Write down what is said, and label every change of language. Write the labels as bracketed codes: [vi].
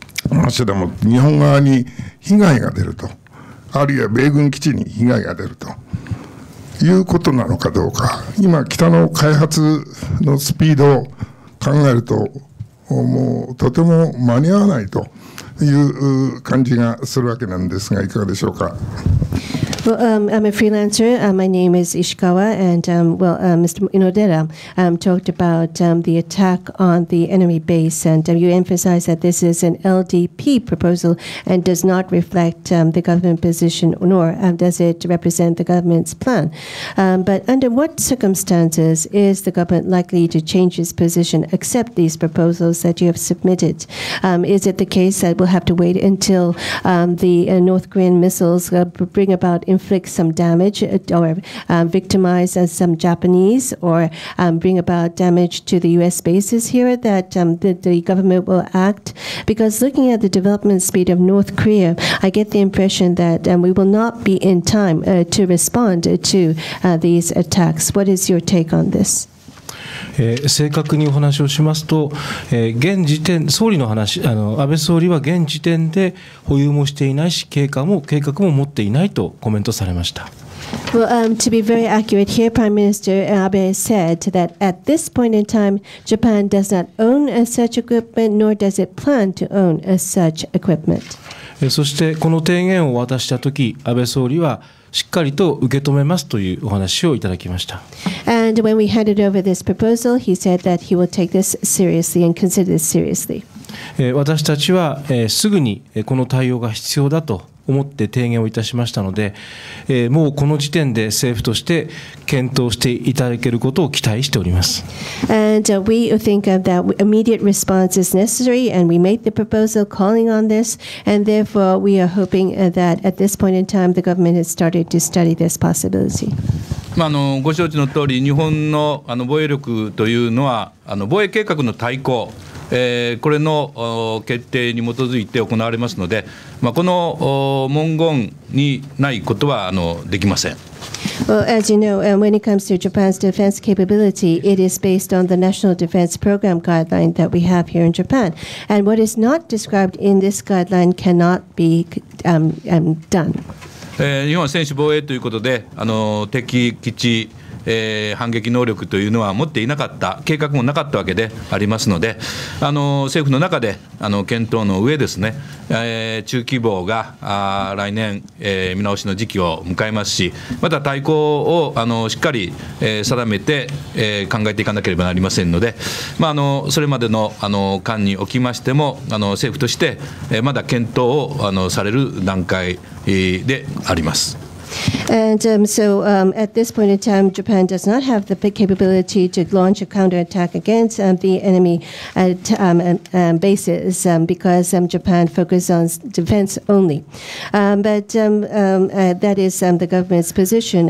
[ja] 発射でも日本側に被害が出ると、あるいは米軍基地に被害が出るということなのかどうか、今北の開発のスピードを考えるともうとても間に合わないという感じがするわけなんですが、いかがでしょうか。 [en] Well, I'm a freelancer. My name is Ishikawa, and Mr. Inodera talked about the attack on the enemy base, and you emphasized that this is an LDP proposal and does not reflect the government position, nor does it represent the government's plan. But under what circumstances is the government likely to change its position, accept these proposals that you have submitted? Is it the case that we'll have to wait until the North Korean missiles bring about inflict some damage or victimize some Japanese or bring about damage to the U.S. bases here, that the government will act? Because looking at the development speed of North Korea, I get the impression that we will not be in time to respond to these attacks. What is your take on this? [ja] 正確にお話をしますと、現時点、総理の話、安倍総理は現時点で保有もしていないし、計画も持っていないとコメントされました。 [en] Well, to be very accurate here, Prime Minister Abe said that at this point in time, Japan does not own such equipment, nor does it plan to own such equipment. [ja] そして、この提言を渡したとき、安倍総理は、しっかりと受け止めますというお話をいただきました。 [en] And when we handed over this proposal, he said that he will take this seriously and consider this seriously. [ja] 私たちはすぐにこの対応が必要だと思って提言をいたしましたので、もうこの時点で政府として検討していただけることを期待しております。 [en] And we think that immediate response is necessary, and we made the proposal calling on this, and therefore we are hoping that at this point in time the government has started to study this possibility. [ja] まあ、ご承知の通り、日本の防衛力というのは防衛計画の大綱。これの決定に基づいて行われますので、まあ、この文言にないことはできません。 [en] Well, as you know, when it comes to Japan's defense capability, it is based on the National Defense Program guideline that we have here in Japan. And what is not described in this guideline cannot be done. [ja] 日本は専守防衛ということで、敵基地反撃能力というのは持っていなかった、計画もなかったわけでありますので、政府の中で検討の上ですね、中規模が来年、見直しの時期を迎えますし、また対抗をしっかり定めて考えていかなければなりませんので、まあ、それまでの間におきましても、政府としてまだ検討をされる段階であります。 [en] And so at this point in time, Japan does not have the capability to launch a counterattack against the enemy at bases because Japan focuses on defense only. That is the government's position.